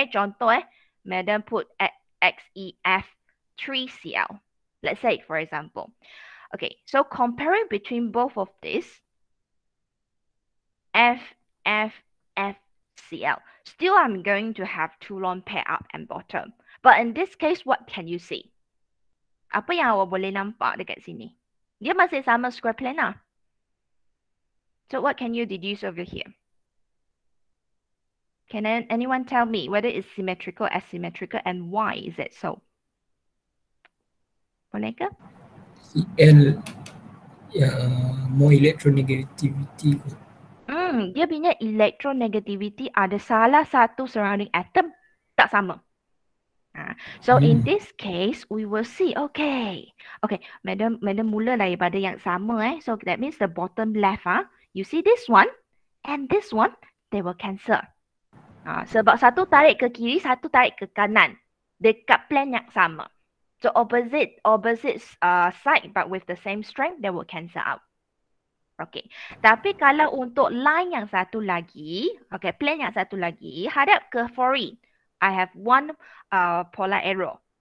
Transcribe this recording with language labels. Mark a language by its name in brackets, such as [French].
[Malay] Contoh, [English] madam put XEF3Cl. Let's say for example. Okay, so comparing between both of these, FFFCl. Still, I'm going to have two lone pair up and bottom. But in this case, what can you see? [Malay] Apa yang awak boleh nampak dekat sini? Dia masih sama [English] square planar. So what can you deduce over here? Can anyone tell me whether it's symmetrical, asymmetrical, and why is it so? [Malay] Boleh ke? [English] CL, more electronegativity. [Malay] Dia punya electronegativity ada salah satu surrounding atom tak sama. [English] So in this case, we will see. Okay. [Malay] Okay, madam mula daripada yang sama. [English] So that means the bottom left. You see this one and this one, they will cancel. [Malay] Sebab satu tarik ke kiri, satu tarik ke kanan. Dekat plan yang sama. [English] So opposite side but with the same strength, they will cancel out. [Malay] Okay, tapi kalau untuk line yang satu lagi, okay, plane yang satu lagi, hadap ke fluorine, [English] I have one polar arrow.